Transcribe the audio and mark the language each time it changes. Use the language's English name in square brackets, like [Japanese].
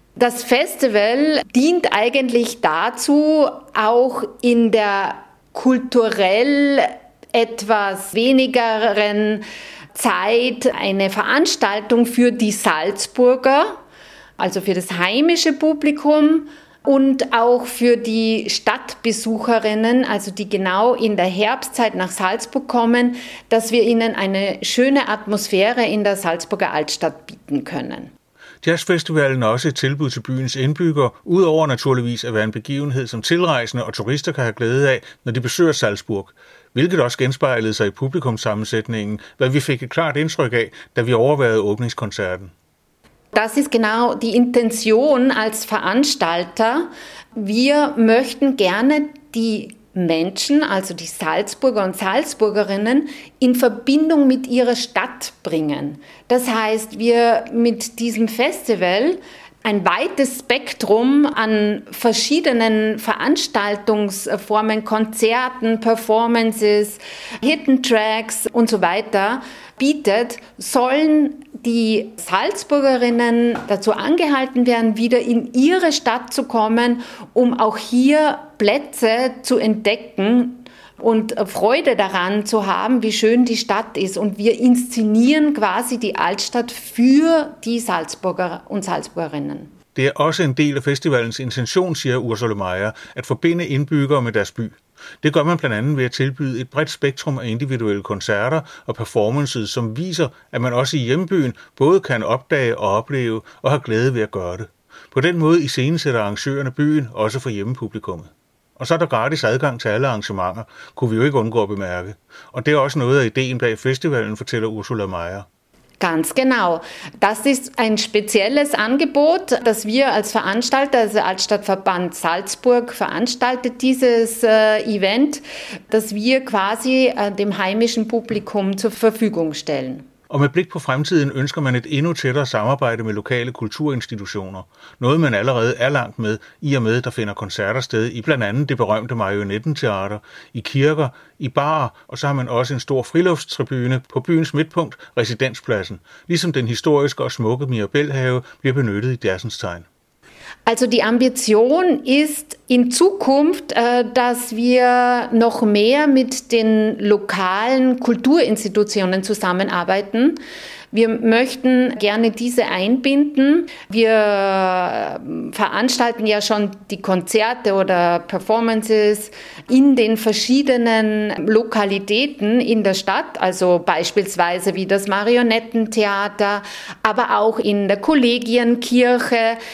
[German] Das Festival dient eigentlich dazu, auch in der kulturell etwas wenigeren Zeit eine Veranstaltung für die Salzburger, also für das heimische Publikum und auch für die Stadtbesucherinnen, also die genau in der Herbstzeit nach Salzburg kommen, dass wir ihnen eine schöne Atmosphäre in der Salzburger Altstadt bieten können. [Danish] Jazzfestivalen er også et tilbud til byens indbyggere, udover naturligvis at være en begivenhed, som tilrejsende og turister kan have glæde af, når de besøger Salzburg. Hvilket også genspejlede sig i publikumssammensætningen, hvad vi fik et klart indtryk af, da vi overværede åbningskoncerten. [German] Das ist genau die Intention als Veranstalter. Wir möchten gerne die Menschen, also die Salzburger und Salzburgerinnen, in Verbindung mit ihrer Stadt bringen. Das heißt, wir mit diesem Festival ein weites Spektrum an verschiedenen Veranstaltungsformen, Konzerten, Performances, Hidden Tracks und so weiter bietet, sollen die Salzburgerinnen dazu angehalten werden, wieder in ihre Stadt zu kommen, um auch hier Plätze zu entdecken und Freude daran zu haben, wie schön die Stadt ist. Und wir inszenieren quasi die Altstadt für die Salzburger und Salzburgerinnen. [Danish] Det er også en del af festivalens intention, siger Ursula Meyer, at forbinde indbyggere med deres by. Det gør man blandt andet ved at tilbyde et bredt spektrum af individuelle koncerter og performances, som viser, at man også i hjembyen både kan opdage og opleve og har glæde ved at gøre det. På den måde iscenesætter arrangørerne byen også for hjemmepublikummet. Og så er der gratis adgang til alle arrangementer, kunne vi jo ikke undgå at bemærke. Og det er også noget af ideen bag festivalen, fortæller Ursula Meyer. [German] Ganz genau. Das ist ein spezielles Angebot, das wir als Veranstalter, also Altstadtverband Salzburg, veranstaltet dieses Event, das wir quasi dem heimischen Publikum zur Verfügung stellen. [Danish] Og med blik på fremtiden ønsker man et endnu tættere samarbejde med lokale kulturinstitutioner. Noget man allerede er langt med, i og med der finder koncerter sted i blandt andet det berømte Marionettenteater, i kirker, i barer, og så har man også en stor friluftstribune på byens midtpunkt, Residenspladsen, ligesom den historiske og smukke Mirabelhave bliver benyttet i Dersens tegn. [German] Also die Ambition ist in Zukunft, dass wir noch mehr mit den lokalen Kulturinstitutionen zusammenarbeiten. Wir möchten gerne diese einbinden. Wir veranstalten ja schon die Konzerte oder Performances in den verschiedenen Lokalitäten in der Stadt, also beispielsweise wie das Marionettentheater, aber auch in der Kollegienkirche.